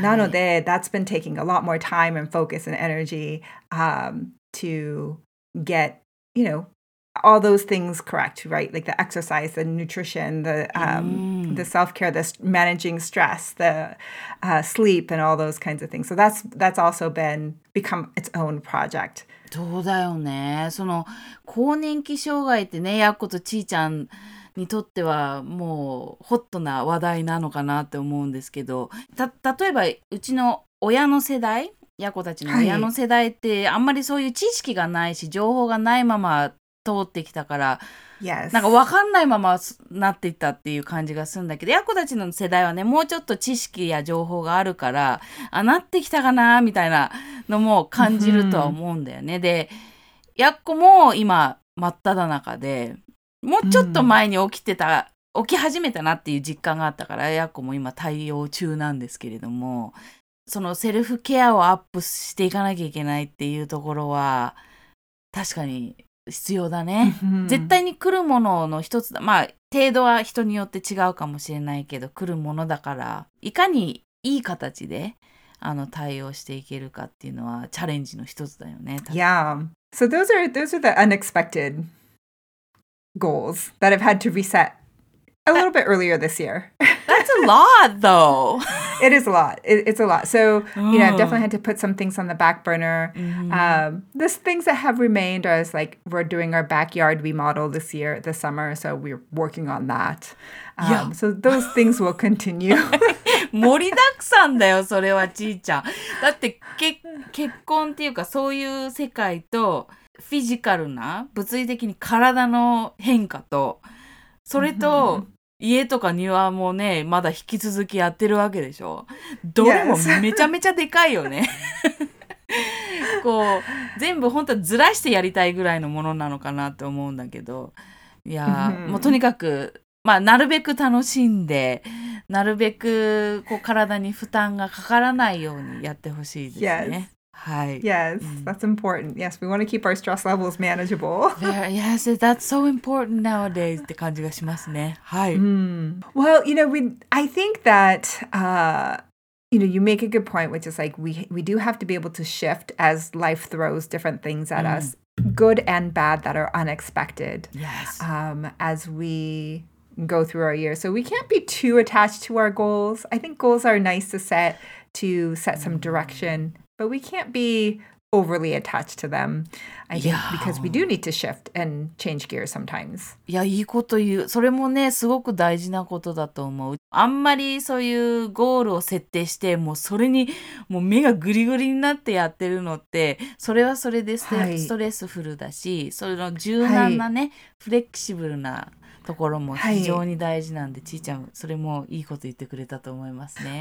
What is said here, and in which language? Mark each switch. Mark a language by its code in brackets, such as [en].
[ja] なので、 [en] that's been taking a lot more time and focus and energy, to get, you know, all those things correct, right? Like the exercise, the nutrition, the self-care, the managing stress, the sleep and all those kinds of things. So that's also been become its own project. [ja] そうだよね。その更年期障害ってね、やっことちーちゃんにとってはもうホットな話題なのかなって思うんですけど、例えばうちの親の世代、やっこたちの親の世代ってあんまりそういう知識がないし、情報がないまま通ってきたから、 [en] yes. [ja] なんか分かんないままなっていったっていう感じがするんだけど、やっこたちの世代はね、もうちょっと知識や情報があるから、あ、なってきたかなみたいなのも感じるとは思うんだよね。で、やっこも今真っただ中で、もうちょっと前に起きてた、起き始めたなっていう実感があったから、やっこも今対応中なんですけれども、そのセルフケアをアップしていかなきゃいけないっていうところは、確かに、必要だね。絶対に来るものの一つだ。まあ程度は人によって違うかもしれないけど、来るものだから、いかにいい形で対応していけるかっていうのはチャレンジの一つだよね。 [en] Yeah. So those are the unexpected goals that I've had to reset a little bit earlier this year. That's a lot, though. It is a lot. It's a lot. So, you know, I've definitely had to put some things on the back burner. Mm-hmm. The things that have remained are like we're doing our backyard remodel this year, this summer. So we're working on that. So those things will continue. [ja] 盛りだくさんだよ、それはちーちゃん。だって結婚っていうかそういう世界とフィジカルな物理的に体の変化とそれと、mm-hmm. 家とか庭もね、まだ引き続きやってるわけでしょ。どれもめちゃめちゃでかいよね。 [en] Yes. [ja] こう、全部本当はずらしてやりたいぐらいのものなのかなって思うんだけど。いやー、mm-hmm. もうとにかく、まあ、なるべく楽しんで、なるべくこう体に負担がかからないようにやってほしいですね。 [en] Yes. [ja] はい、 [en] yes, that's important. Yes, we want to keep our stress levels manageable. Yes, that's so important nowadays. [ja] って感じがしますね。はい。 [en] Well, you know, I think that, you know, you make a good point, which is like we do have to be able to shift as life throws different things at us, good and bad that are unexpected. Yes. As we go through our year, so we can't be too attached to our goals. I think goals are nice to set some direction. But we can't be overly attached to them, I think, because we do need to shift and change gears sometimes. [ja] Yeah, いいこと言う。それもね、すごく大事なことだと思う。あんまりそういうゴールを設定して、もうそれにもう目がグリグリになってやってるのって、それはそれでストレスフルだし、それの柔軟なね、フレキシブルなところも非常に大事なんで、ちーちゃん、それもいいこと言ってくれたと思いますね。